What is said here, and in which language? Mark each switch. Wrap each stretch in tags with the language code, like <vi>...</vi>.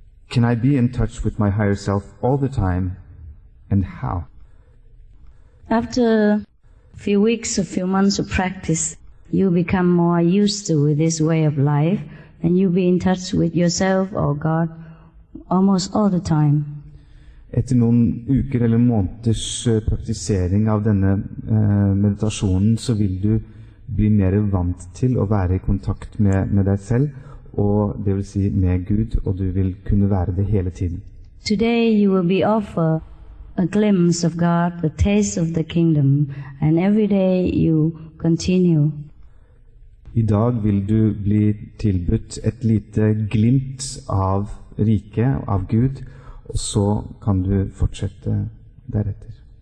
<en>Can I be in touch with my higher self all the time? And how? After a few weeks, a few months of practice, you become more used to this way of life, and you be in touch with yourself or God almost all the time.</en> <no>Etter noen uker eller måneders praktisering av denne meditasjonen, så vil du bli mer vant til å være I kontakt med deg selv, og det vil si med Gud, og du vil kunne være det hele tiden.</no> <en>Today you will be offered a glimpse of God, a taste of the kingdom, and every day you continue.</en> <no>I dag vil du bli tilbudt et lite glimt av rike, av Gud, og så kan du fortsette deretter.</no>